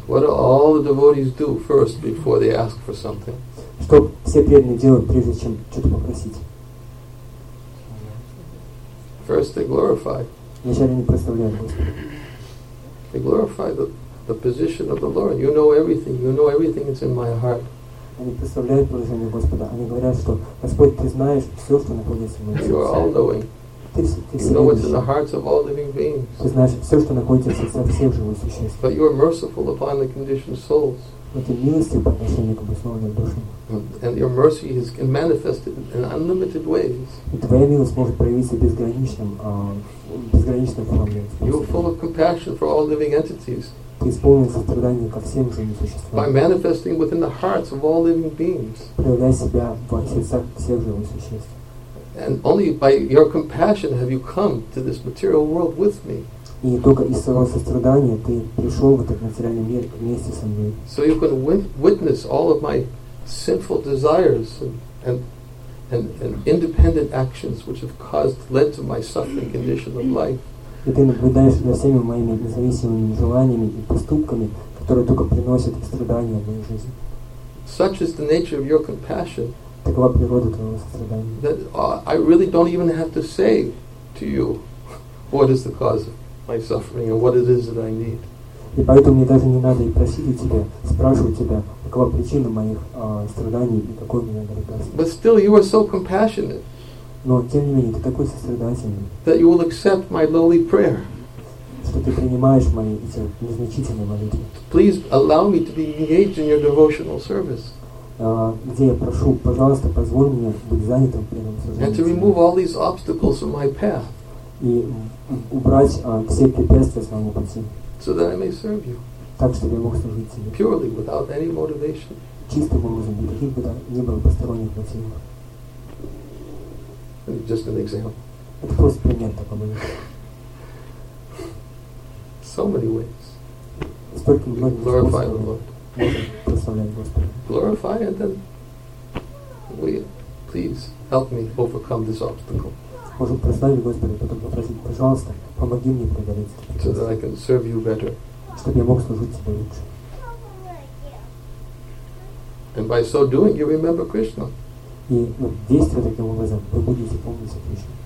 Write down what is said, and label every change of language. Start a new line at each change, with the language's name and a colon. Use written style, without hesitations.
English: What do all the devotees do first before they ask for something?
Russian: Что все преданные делают прежде чем что-то попросить?
English: First they glorify.
Russian: Вначале они прославляют Господа.
English: They glorify the position of the Lord. You know everything. You know everything is in my heart.
Russian: Они представляют положение Господа. Они говорят, что Господь, ты знаешь все, что находится в моем сердце.
English: You are all knowing.
Russian: Ты
English: you know what's in the hearts of all living beings.
Russian: Ты знаешь все, что находится в сердцах всех живых существ.
English: But you are merciful upon the conditioned souls.
Russian: Но ты милостив по отношению к обусловленным душам.
English: And your mercy is manifested in unlimited ways.
Russian: И твоя милость может проявиться безграничным формам.
English: You are full of compassion for all living entities.
Russian: Ты исполнен сострадания ко всем живым существам.
English: By manifesting within the hearts of all living beings.
Russian: Проявляя себя в сердцах всех живых существ.
English: And only by your compassion have you come to this material world with me.
Russian: И только из своего сострадания ты пришел в этот материальный мир вместе со мной.
English: So you can witness all of my sinful desires and independent actions which have led to my suffering condition of life.
Russian: И ты наблюдаешь за всеми моими независимыми желаниями и поступками, которые только приносят страдания в мою жизнь.
English: Such is the nature of your compassion.
Russian: Такова природа твоего сострадания.
English: That I really don't even have to say to you what is the cause of my suffering and what it is that I need.
Russian: И поэтому мне даже не надо и просить тебя, спрашивать тебя, какова причина моих страданий и какой мне надо лекарство.
English: But still you are so compassionate.
Russian: Но тем не менее ты такой сострадательный.
English: That you will accept my lowly prayer.
Russian: Что ты принимаешь мои эти незначительные молитвы.
English: Please allow me to be engaged in your devotional service.
Russian: Где я прошу, пожалуйста, позволь мне быть занятым в преданном служении.
English: And to remove all these obstacles from my path.
Russian: И убрать все препятствия с моего пути.
English: So that I may serve you.
Russian: Так чтобы я мог служить тебе.
English: Purely without any motivation.
Russian: Чистым образом, без каких бы то ни было посторонних мотивов.
English: Just an example.
Russian: Это просто пример такого.
English: So many ways.
Russian: Столько многих способов.
English: Glorify the Lord.
Russian: Прославляем Господа.
English: Glorify and then we please help me overcome this obstacle.
Russian: Можем прославить Господа, потом попросить, пожалуйста, помоги мне преодолеть это.
English: So that I can serve you better.
Russian: Чтобы я мог служить тебе лучше.
English: And by so doing, you remember Krishna.
Russian: И действуя таким образом, вы будете помнить о Кришне.